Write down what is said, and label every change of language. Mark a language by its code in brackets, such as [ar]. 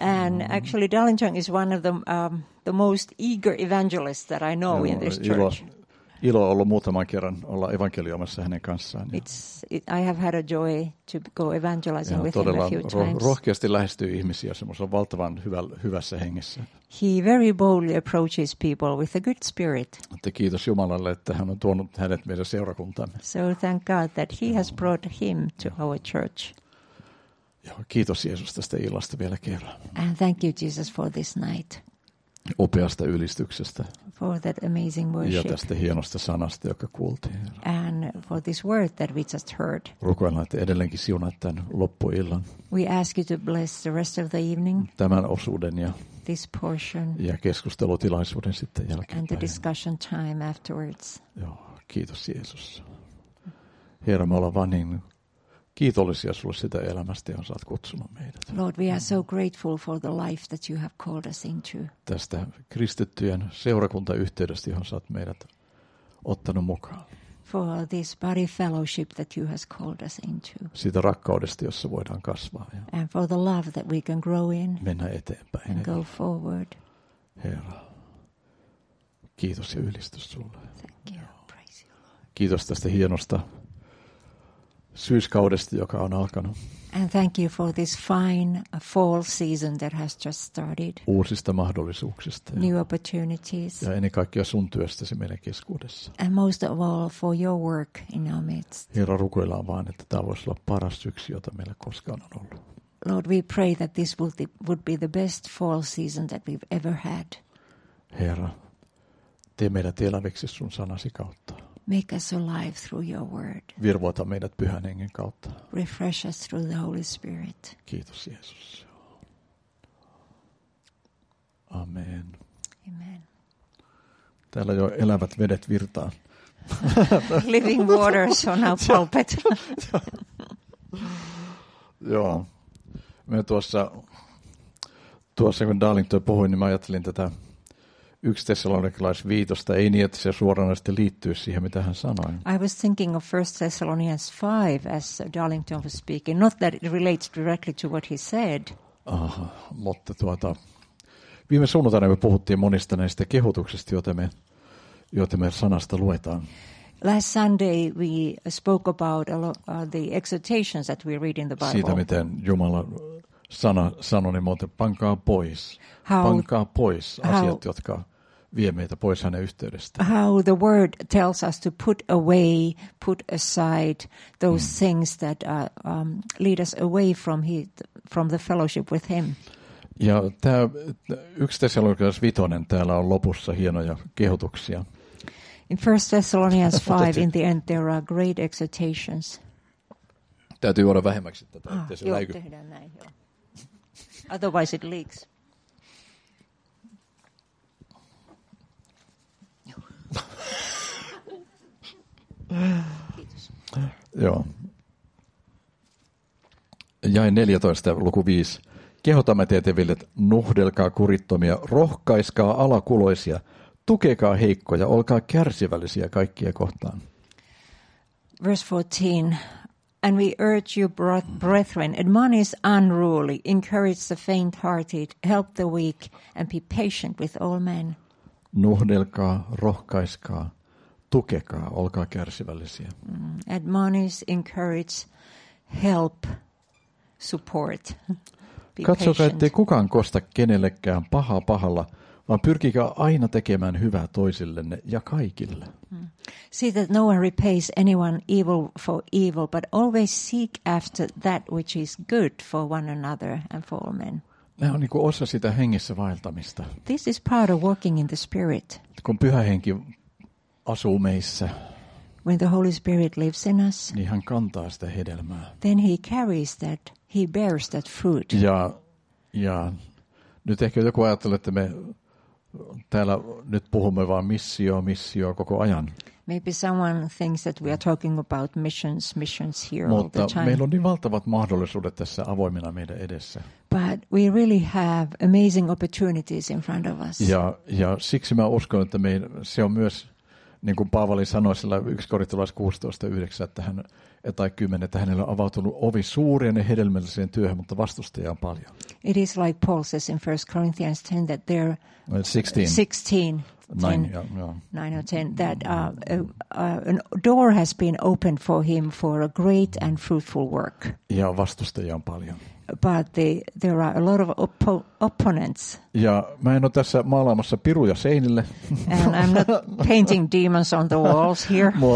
[en] And actually Darlington is one of the most eager evangelists that I know in this church. [fi] Ilo on ollut muutaman kerran olla evankelioimassa hänen kanssaan. [en] I have had a joy to go evangelizing with him a few times. [fi] Todella rohkeasti lähestyy ihmisiä semmoisella valtavan hyvässä hengessä. [en] He very boldly approaches people with a good spirit. [fi] Mutta kiitos Jumalalle, että hän on tuonut hänet meidän seurakuntamme. [en] So thank God that he has brought him to our church. [fi] Joo, kiitos Jeesus tästä illasta vielä kerran. [en] And thank you Jesus for this night. [fi] Upeasta ylistyksestä. [en] For that amazing worship. [fi] Ja tästä hienosta sanasta, joka kuultiin. [en] And for this word that we just heard. [fi] Rukoillaan, että edelleenkin siunaat tämän loppuillan. [en] We ask you to bless the rest of the evening. [fi] Tämän osuuden ja. [en] This portion. [fi] Ja keskustelutilaisuuden sitten jälkeen. [en] And the discussion time afterwards. [fi] Joo, kiitos Jeesus. Herra, me ollaan vaan niin kiitollisia sinulle sitä elämästä, johon olet kutsunut meidät. [en] Lord, we are so grateful for the life that you have called us into. [fi] Tästä kristittyjen seurakuntayhteydestä, johon olet meidät ottanut mukaan. [en] For this body fellowship that you have called us into. [fi] Siitä rakkaudesta, jossa voidaan kasvaa. Ja [en] and for the love that we can grow in. [fi] Mennä eteenpäin. [en] And go forward. [fi] Herra, kiitos ja ylistys sinulle. [en] Thank you. Praise you, Lord. [fi] Kiitos tästä hienosta syyskaudesta, joka on alkanut. [en] And thank you for this fine fall season that has just started. [fi] Uusista mahdollisuuksista. [en] New opportunities. [fi] Ja ennen kaikkea sun työstäsi meidän keskuudessa. [en] And most of all for your work in our midst. [fi] Herra, rukoillaan vaan, että tämä voisi olla paras syksy, jota meillä koskaan on ollut. [en] Lord, we pray that this would be the best fall season that we've ever had. [fi] Herra, tee meidät eläviksi sun sanasi kautta. [en] Make us alive through your word. [fi] Virvoita meidät Pyhän Hengen kautta. [en] Refresh us through the Holy Spirit. [fi] Kiitos Jeesus. Amen. Amen. Täällä jo elävät vedet virtaa. [en] Living waters on our pulpit. [fi] Joo. Me tuossa kun Darlington puhui, niin mä ajattelin tätä 1 Thessalonikalaisviitosta, ei niin, että se suoranaisesti liittyy siihen, mitä hän sanoi. [en] I was thinking of 1 Thessalonians 5 as Darlington was speaking, not that it relates directly to what he said. [fi] Aha, mutta viime sunnuntaina me puhuttiin monista näistä kehotuksista, joita me sanasta luetaan. [en] Last Sunday we spoke about the exhortations that we read in the Bible. [fi] Siitä, miten Jumala sanoi niin muuten, pankaa pois asiat, jotka vie meitä pois hänen yhteydestä. [en] How the word tells us to put away, put aside those things that lead us away from the fellowship with him. [fi] Ja tämä 1 Thessalonians 5 täällä on lopussa hienoja kehotuksia. [en] In 1 Thessalonians 5, in the end, there are great exhortations. [fi] Täytyy olla vähemmäksi tätä, ettei se läiky. Joo, tehdään näin, joo. [en] Otherwise it leaks. [fi] Kiitos. Joo. Jae 14, luku 5. Kehotamme teitä, veljet, nuhdelkaa kurittomia, rohkaiskaa alakuloisia, tukekaa heikkoja, olkaa kärsivällisiä kaikkia kohtaan. [en] Verse 14. And we urge you, brethren, admonish unruly, encourage the faint-hearted, help the weak, and be patient with all men. [fi] Nuhdelkaa, rohkaiskaa, tukekaa, olkaa kärsivällisiä. [en] Admonish, encourage, help, support. [fi] Katsokaa, ettei kukaan kosta kenellekään pahaa pahalla, vaan pyrkikää aina tekemään hyvää toisillenne ja kaikille. [en] See that no one repays anyone evil for evil, but always seek after that which is good for one another and for all men. [fi] Nämä on niin kuin osa sitä hengissä vaeltamista. [en] This is part of walking in the Spirit. [fi] Kun Pyhä Henki asuu meissä, [en] when the Holy Spirit lives in us, [fi] niin hän kantaa sitä hedelmää. [en] Then he carries that, he bears that fruit. [fi] Ja nyt ehkä joku ajattelee, että me täällä nyt puhumme vaan missio koko ajan. [en] Maybe someone thinks that we are talking about missions here. [fi] Mutta [en] all the time. [fi] Meillä on niin valtavat mahdollisuudet tässä avoimina meidän edessä. [en] But we really have amazing opportunities in front of us. [fi] Ja siksi mä uskon, että se on myös, niin kuin Paavali sanoi sillä 1 Korintolaiskirjeen 16:9, että hän tai 10, että hänellä on avautunut ovi suurien ja hedelmälliseen työhön, mutta vastustajia on paljon. [en] It is like Paul says in 1 Corinthians 10 that there are 9 or 10 that an door has been opened for him for a great and fruitful work. [fi] Ja vastustajia on paljon. [en] But there are a lot of opponents. [fi] Ja mä en ole tässä maalaamassa piruja seinille. [en] And I'm not painting demons on the walls here.